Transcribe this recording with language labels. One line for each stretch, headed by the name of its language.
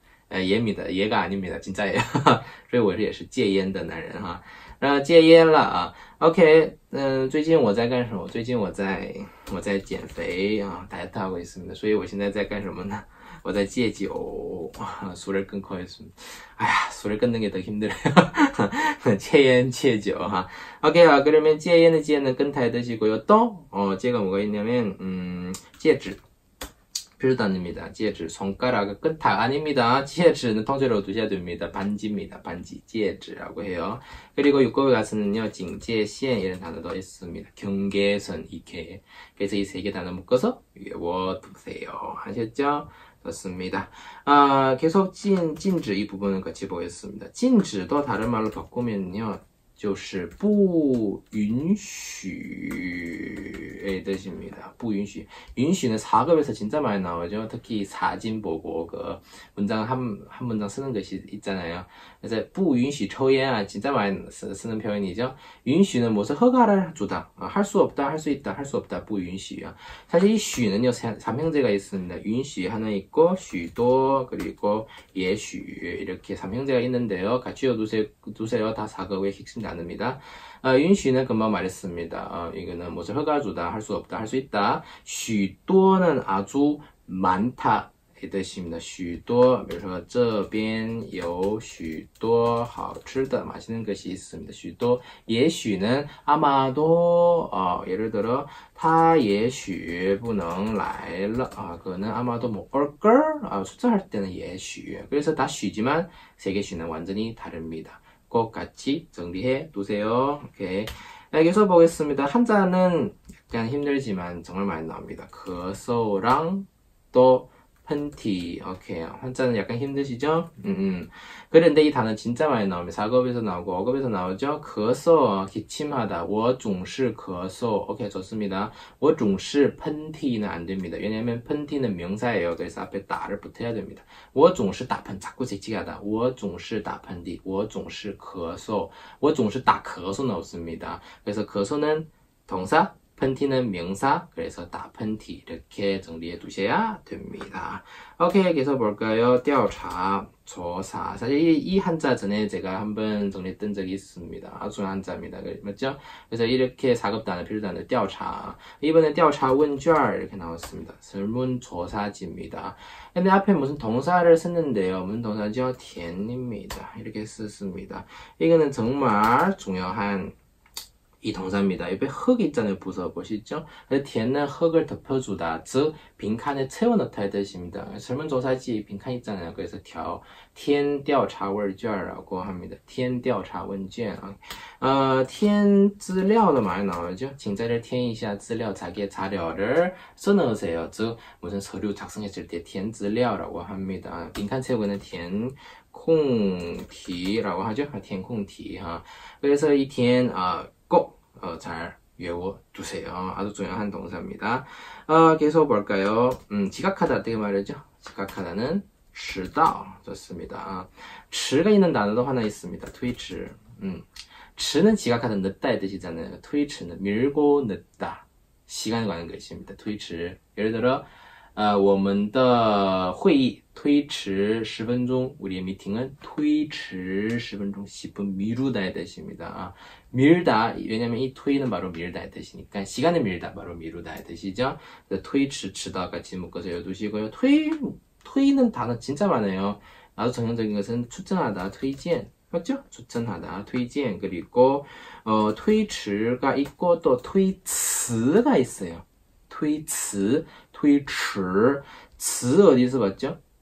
Korean: 예입니다. 예가 아닙니다. 진짜예요.
Chinese: 所以我也是戒烟的男人啊.戒烟了啊. OK, 最近我在干什么？最近我在减肥啊，大家都会什么的，所以我现在在干什么呢？我在戒酒，
Korean: 술을끊고있습니다。哎呀，술을끊는게더힘들어요。
Chinese: 戒烟戒酒哈。 OK 啊，그러면戒烟的戒呢，跟它的这个有또这个
Korean: 뭐가있냐면
Chinese: 戒指，
Korean: 필요합니다。戒指，손가락끊다아닙니다。 戒指는통째로두셔야됩니다。 반지입니다。 반지戒指라고해요。 그리고 6급에 가서는요, 警戒线 이런 단어도 있습니다. 경계선 이렇게. 그래서 이세개 단어 묶어서 외워두세요. 하셨죠? 좋습니다. 계속 禁止 이 부분을 같이 보겠습니다. 禁止도 다른 말로 바꾸면요,
Chinese: 就是不允许
Korean: 의 뜻입니다.
Chinese: 不允许.
Korean: 允许는 4급에서 진짜 많이 나오죠. 특히 사진 보고 그 문장 한 문장 쓰는 것이 있잖아요. 그래서
Chinese: 不允许抽烟啊,
Korean: 진짜 많이 쓰는 표현이죠. 允许는 무슨 허가를 주다. 할수 없다, 할수 있다, 할수 없다.
Chinese: 不允许啊.
Korean: 사실 이 许는요, 삼형제가 있습니다. 允许 하나 있고, 许多, 그리고 也许 이렇게 삼형제가 있는데요. 같이 두세요. 다 4급의 핵심 단어입니다. 允许는 금방 말했습니다. 이거는 무슨 허가 주다, 할수 없다, 할수 있다. 许多는 아주 많다. 이 뜻입니다.
Chinese: 许多, 比如说, 这边有许多好吃的,
Korean: 맛있는 것이 있습니다. 许多, 也许는 아마도, 예를 들어,
Chinese: 他也许不能来了,
Korean: 그거는 아마도 못 올걸? 숫자할 때는 也许. 그래서 다 许지만, 세 개씩은 완전히 다릅니다. 꼭 같이 정리해 두세요. 오케이. 계속 보겠습니다. 한자는 약간 힘들지만 정말 많이 나옵니다. 咳嗽랑 또, 喷嚏, 오케이. 한자는 약간 힘드시죠? 그런데 이 단어 진짜 많이 나옵니다. 4급에서 나오고 5급에서 나오죠? 咳嗽, 기침하다.
Chinese: 我总是咳嗽.
Korean: 오케이, 좋습니다.
Chinese: 我总是喷嚏
Korean: 는 안 됩니다. 왜냐면 喷嚏는 명사예요. 그래서 앞에 打를 붙여야 됩니다.
Chinese: 我总是打喷,
Korean: 자꾸 재치기하다.
Chinese: 我总是打喷嚏. 我总是咳嗽.我总是打咳嗽는 없습니다.
Korean: 그래서 咳嗽는 동사? 喷嚏는 명사, 그래서 打喷嚏 이렇게 정리해 두셔야 됩니다. 오케이, 계속 볼까요? 调查, 조사. 사실 이 한자 전에 제가 한번 정리했던 적이 있습니다. 아주 한자입니다. 맞죠? 그래서 이렇게 4급 단어, 필수 단어, 调查. 이번에 调查 问卷 이렇게 나왔습니다. 설문조사지입니다. 근데 앞에 무슨 동사를 썼는데요. 무슨 동사죠? 填입니다. 이렇게 썼습니다. 이거는 정말 중요한 이 동사입니다. 옆에 흙 있잖아요. 부서 보시죠? 填는 흙을 덮어주다. 즉, 빈칸에 채워넣다의 뜻입니다. 설문조사지 빈칸 있잖아요. 그래서 填调查问卷이라고 합니다.
Chinese: 填调查问卷.填资料도
Korean: 많이 나오죠?
Chinese: 请在这 填一下资料,
Korean: 자기의 자료를 써넣으세요. 즉, 무슨 서류 작성했을 때 填资料이라고 합니다. 빈칸 채우는 填 공题라고 하죠? 填空题. 그래서 이填, 꼭 잘 외워두세요. 아주 중요한 동사입니다. 계속 볼까요? 지각하다 어떻게 말하죠? 지각하다는 迟到. 좋습니다. 迟가 있는 단어도 하나 있습니다.
Chinese: 推迟.
Korean: 迟는 지각하다 늦다의 뜻이잖아요. 推迟는 밀고 늦다. 시간 관한 것입니다. 推迟. 예를 들어,
Chinese: 我们的会议推迟10分钟,
Korean: 우리의 미팅은 推迟10分钟, 10분 미루다의 뜻입니다. 밀다, 왜냐면 이 推는 바로 밀다의 뜻이니까, 시간을 밀다, 바로 미루다의 뜻이죠. 推迟迟到까지 묶어서 여두시고요. 推는 단어 진짜 많아요. 아주 전형적인 것은 추천하다, 推荐. 맞죠? 추천하다, 推荐. 그리고, 推迟가 있고, 또 推迟가 있어요. 推迟, 推迟, 词 어디서 봤죠?